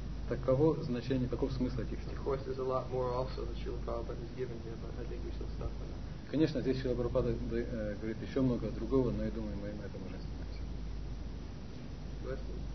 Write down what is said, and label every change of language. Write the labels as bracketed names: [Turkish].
[Russian] Таково значение, каков смысл этих стихов. [English] Of course, there's a lot more also that Srila Prabhupada has given here, but I think we shall stop on that. [Russian] Конечно, здесь Шрила Прабхупада говорит еще много другого, но я думаю, мы на этом уже остановимся.